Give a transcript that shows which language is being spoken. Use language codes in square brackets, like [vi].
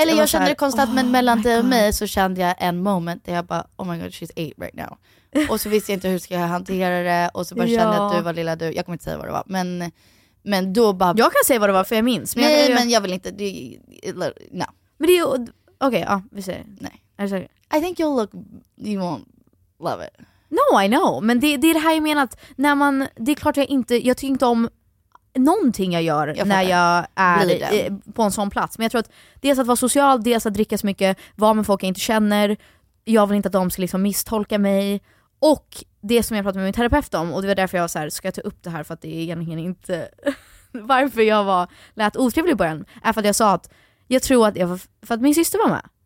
[sv] Eller jag kände här, det konstant, oh, men mellan dig och mig så kände jag en moment där jag bara, [en] oh my god, she's eight right now. [sv] Och så visste jag inte hur ska jag hantera det. Och så bara kände jag att du var lilla du. Jag kommer inte säga vad det var, men då bara. Jag kan säga vad det var för jag minns. Men nej, men jag vill inte, no. Men det är ju, okej, ja, vi säger. Nej. Är det [en] I think you'll look, you won't love it. No, I know. [sv] Men det är det här jag menar, att när man, det är klart jag inte, jag tycker inte om någonting jag gör jag när jag är på en sån plats. Men jag tror att dels att vara social, dels att dricka så mycket, vad med folk jag inte känner. Jag vill inte att de ska liksom misstolka mig. Och det som jag pratade med min terapeut om, och det var därför jag var så här, ska jag ta upp det här, för att det är egentligen inte varför jag var lät otrevlig i början, är för att jag sa att jag tror att jag var, för att min syster var med.